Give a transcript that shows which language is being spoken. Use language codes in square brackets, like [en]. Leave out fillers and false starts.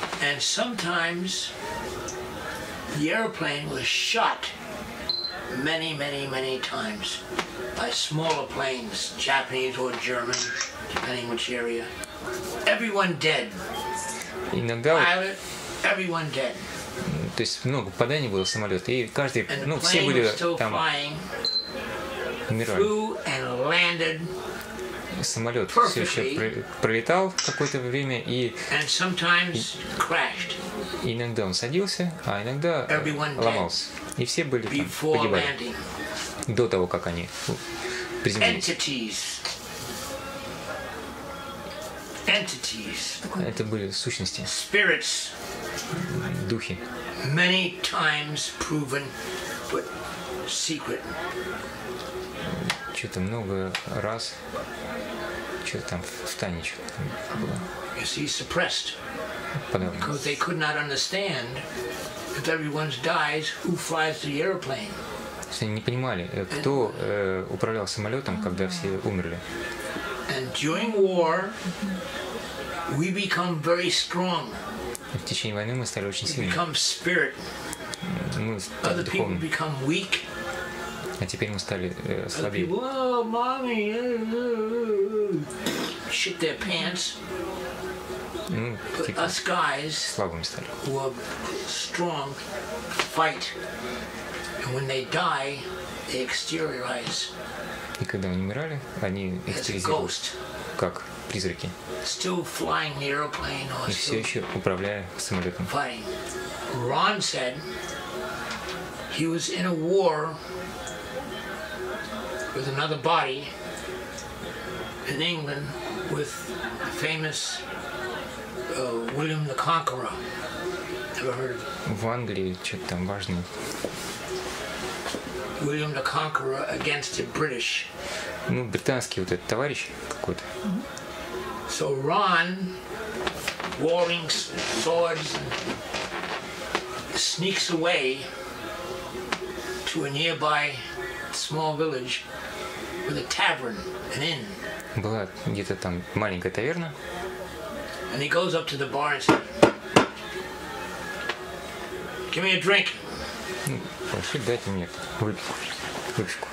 [en] And sometimes the airplane was shot many, many, many times by smaller planes, Japanese or German, depending which area. Everyone dead. [ru] Иногда. [en] Pilot, everyone dead. [ru] То есть много попаданий было самолета, и каждый, [en] and [ru] ну, все были там. [en] Flying. Flew and landed. [ru] Самолет все еще пролетал какое-то время и [en] crashed. [ru] Иногда он садился, а иногда ломался. И все были там, погибали. [en] Landing. [ru] До того, как они приземлились. [en] Entities. Entities. [ru] Это были сущности. [en] Spirits. [ru] Духи. [en] Many times proven, but secret. [ru] Что-то много раз, что-то там в тайне что-то там было. [en] Yes, he's suppressed. [ru] Подавлено. [en] Because they could not understand if everyone dies, who flies the airplane. [ru] Они не понимали, кто управлял самолетом, когда все умерли. [en] And during war, we become very strong. [ru] В течение войны мы стали очень сильными. [en] We become spirit. [ru] Мы стали духовными. [en] Other people become weak. [ru] А теперь мы стали слабее. [en] Whoa, mommy. Shit their pants. [ru] Ну, типа, [en] us guys, [ru] слабыми стали. [en] Who are strong, fight. And when they die, they exteriorize. [ru] И когда они умирали, они экстеризируют. Как призраки. [en] Still flying the airplane or [ru] и все еще управляя самолетом. [en] Fighting. Ron said he was in a war with another body in England with the famous William the Conqueror. Ever heard of him? [ru] В Англии что-то там важное. [en] William the Conqueror against the British. [ru] Ну, британский вот этот товарищ какой-то. [en] So Ron, warring swords, sneaks away to a nearby small village. With a tavern, an inn. [ru] Была где-то там маленькая таверна. [en] And he goes up to the bar and says, "Give me a drink." [ru] Прошу, дайте мне выпивку.